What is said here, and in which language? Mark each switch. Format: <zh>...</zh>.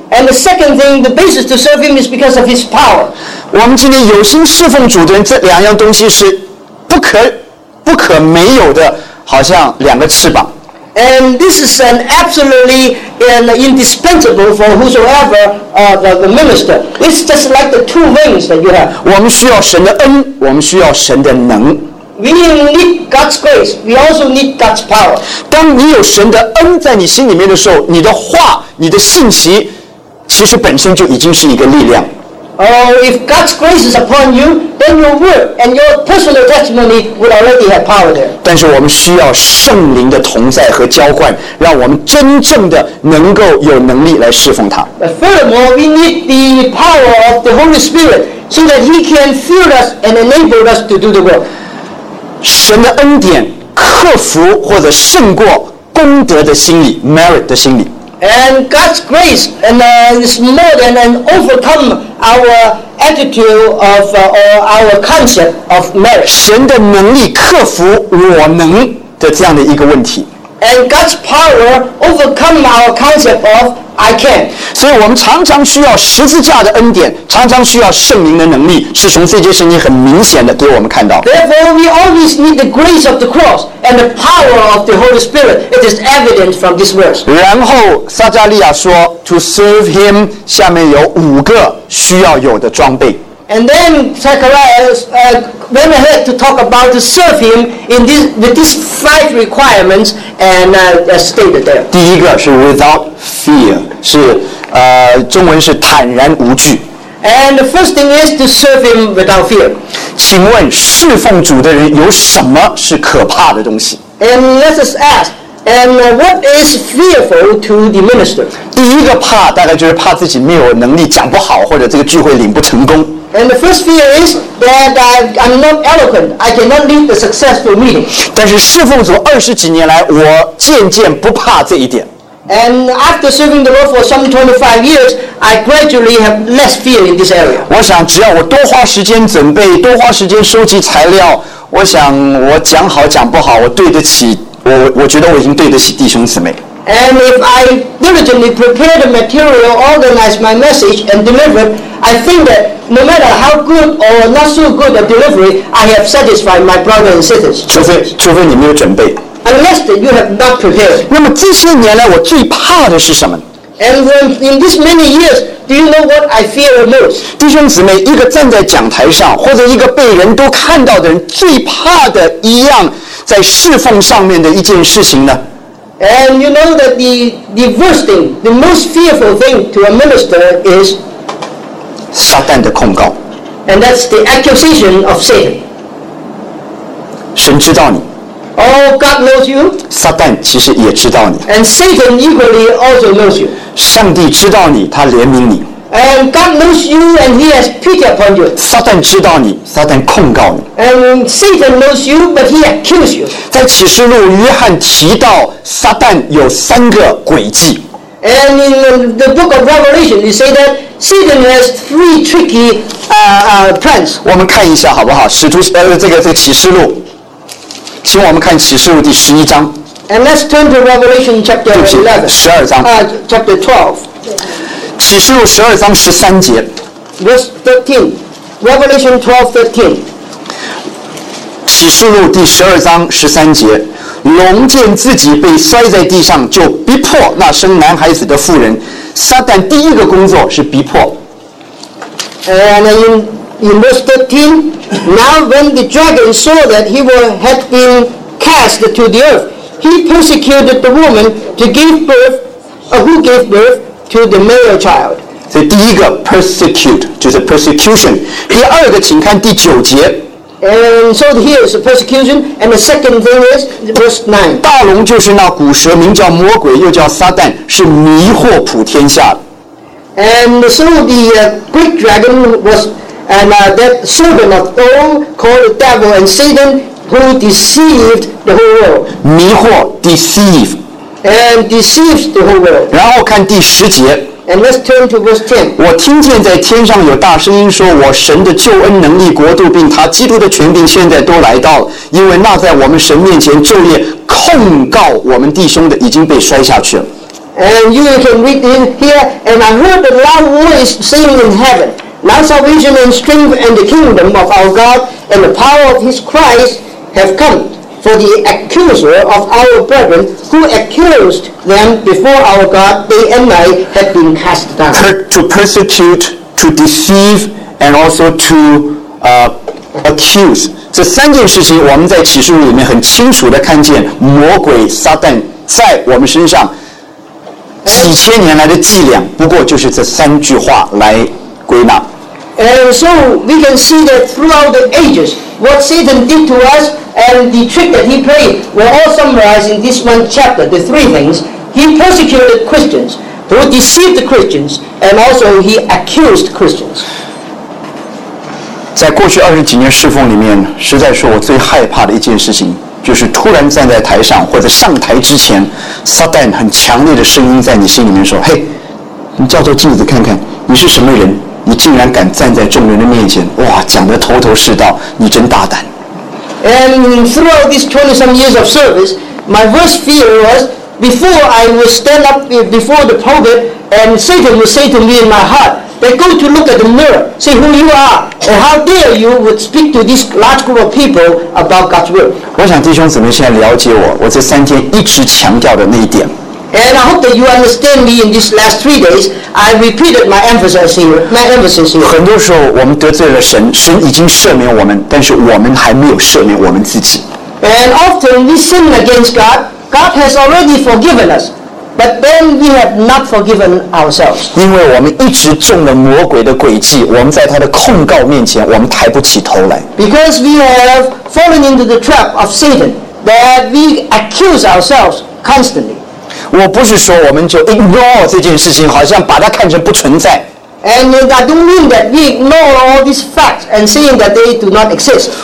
<en>And the second thing, the basis to serve him is because of his power.</en> <zh>我们今天有心侍奉主的人，这两样东西是不可没有的，好像两个翅膀。</zh> <en>And this is an absolutely and indispensable for whosoever the minister. It's just like the two wings that you have.</en> <zh>我们需要神的恩，我们需要神的能。</zh> <en>We need God's grace. We also need God's power.</en> <zh>当你有神的恩在你心里面的时候，你的话、你的信息，其实本身就已经是一个力量。</zh> <en>If God's grace is upon you, then your word and your personal testimony would already have power there.</en> <zh>但是我们需要圣灵的同在和浇灌，让我们真正的能够有能力来侍奉他。</zh> <en>But furthermore, we need the power of the Holy Spirit so that He can fill us and enable us to do the work.</en> <zh>神的恩典克服或者胜过功德的心理 merit 的心理。</zh> <en>And God's grace and is more than an overcome our attitude of or our concept of merit.</en> <zh>神的能力克服我能的这样的一个问题。</zh> <en>And God's power overcome our concept of I can.</en> <zh>所以我们常常需要十字架的恩典，常常需要圣灵的能力，是从这节圣经很明显的给我们看到。</zh> <en>Therefore, we always need the grace of the cross and the power of the Holy Spirit. It is evident from this verse.</en> <zh>然后撒加利亚说 ，</zh> <en>To serve Him，</en> <zh>下面有五个需要有的装备。</zh> <en>And then Zacharias went ahead to talk about to serve him in this, with these five requirements and stated there.</en> <zh>第一个是</zh> <en>without fear,</en> <zh>是中文是坦然无惧。</zh> <en>And the first thing is to serve him without fear.</en> <zh>请问侍奉主的人有什么是可怕的东西？</zh> <en>And let us ask, and what is fearful to the minister?</en> <zh>第一个怕大概就是怕自己没有能力讲不好，或者这个聚会领不成功。</zh> <en>And the first fear is that I'm not eloquent. I cannot lead the successful meeting.</en> <zh>但是侍奉主二十几年来，我渐渐不怕这一点。</zh> <en>And after serving the Lord for some 25 years, I gradually have less fear in this area.</en> <zh>我想只要我多花时间准备，多花时间收集材料，我想我讲好讲不好，我对得起我觉得我已经对得起弟兄姊妹。</zh> <en>And if I diligently prepare the material, organize my message, and deliver it, I think that no matter how good or not so good a delivery, I have satisfied my brothers and sisters.</en> <zh>除非你没有准备。</zh> <en>Unless that you have not prepared.</en> <zh>那么这些年来，我最怕的是什么？</zh> <en>And when, in these many years, do you know what I fear the most?</en> <zh>弟兄姊妹，一个站在讲台上，或者一个被人都看到的人，最怕的一样在侍奉上面的一件事情呢？</zh> <en>And you know that the worst thing, the most fearful thing to a minister is</en> <zh>撒旦的控告。</zh> <en>And that's the accusation of Satan.</en> <zh>神知道你。</zh> <en>Oh, God knows you.</en> <zh>撒旦其实也知道你。</zh> <en>And Satan equally also knows you.</en> <zh>上帝知道你，他怜悯你。</zh> <en>And God knows you and he has pity upon you.</en> <zh>撒旦知道你，撒旦控告你。</zh> <en>And Satan knows you, but he accuses you.</en> <zh>在启示录，约翰提到撒旦有三个诡计。</zh> <en>And in the book of Revelation, you say that Satan has three tricky plans.</en> <zh>我们看一下好不好？使徒这个启示录，请我们看启示录第十一章。</zh> <en>And let's turn to Revelation chapter 11.</en> <zh>十二章。</zh> <en>Chapter 12.</en> <zh>启示录十二章十三节。</zh> <en>Verse 13. Revelation 12:13.</en> <zh>启示录第十二章十三节，龙见自己被摔在地上，就逼迫那生男孩子的妇人。撒旦第一个工作是逼迫。</zh> <en>And in verse 13, now when the dragon saw that he had been cast to the earth, he persecuted the woman to give birth, who gave birth to the male child.</en> <zh>所以第一个 persecute 就是 persecution。第二个，请看第九节。</zh> <en>And so here is the persecution, and the second thing is verse 9.</en> <zh>大龙就是那古蛇，名叫魔鬼，又叫撒旦，是迷惑普天下。</zh> <en>And so the great dragon was, and that servant of old called the devil and Satan, who deceived the whole world.</en> <zh>迷惑 deceive.</zh> <en>And deceives the whole world.</en> <zh>然后看第十节。</zh> <en>And let's turn to verse 10.</en> <zh>我听见在天上有大声音说，我神的救恩能力国度并他基督的权柄现在都来到了，因为那在我们神面前昼夜控告我们弟兄的已经被摔下去了。</zh> <en>And you can read in here, and I heard a loud voice saying in heaven, now salvation and strength and the kingdom of our God and the power of his Christ have come. For the accuser of our brethren, who accused them before our God day and night, had been cast down. To persecute, to deceive, and also to accuse.</en> <zh>这三件事情，我们在启示录里面很清楚的看见，魔鬼撒旦在我们身上几千年来的伎俩，不过就是这三句话来归纳。</zh> <en>And so we can see that throughout the ages, what Satan did to us. And the trick that he played were all summarized in this one chapter, the three things. He persecuted Christians, who deceived Christians, and also he accused Christians.</en> <zh>在过去二十几年侍奉里面，实在是我最害怕的一件事情，就是突然站在台上或者上台之前，撒旦很强烈的声音在你心里面说：“嘿，你照照镜子看看，你是什么人？你竟然敢站在众人的面前，哇，讲得头头是道，你真大胆。”</zh> <en>And throughout these 20-some years of service, my worst fear was before I would stand up before the pulpit, and Satan would say to me in my heart, "They go to look at the mirror, see who you are, and how dare you would speak to this large group of people about God's word."</en> <zh>我想弟兄姊妹现在了解我，我这三天一直强调的那一点。</zh> <en>And I hope that you understand me in these last three days. I repeated my emphasis here. My emphasis here.</en> <zh>很多时候我们得罪了神，神已经赦免我们，但是我们还没有赦免我们自己。</zh> <en>And often we sin against God. God has already forgiven us, but then we have not forgiven ourselves.</en> <zh>因为我们一直中了魔鬼的诡计，我们在他的控告面前，我们抬不起头来。</zh> <en>Because we have fallen into the trap of Satan, that we accuse ourselves constantly.</en> <zh>我不是说我们就 ignore 这件事情，好像把它看成不存在。</zh> <en>And I don't mean that we ignore all these facts and saying that they do not exist.</en>